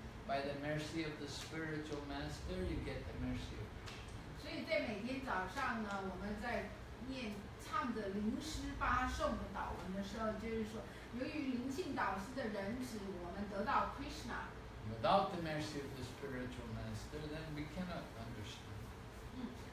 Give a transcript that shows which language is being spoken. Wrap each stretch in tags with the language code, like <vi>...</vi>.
<en>By the mercy of the spiritual master, you get the mercy of Krishna.</en> <zh>所以在每天早上呢，我们在念唱着灵师八颂的祷文的时候，就是说，由于灵性导师的仁慈，我们得到 Krishna.</zh> <en>Without the mercy of the spiritual master, then we cannot understand.</en>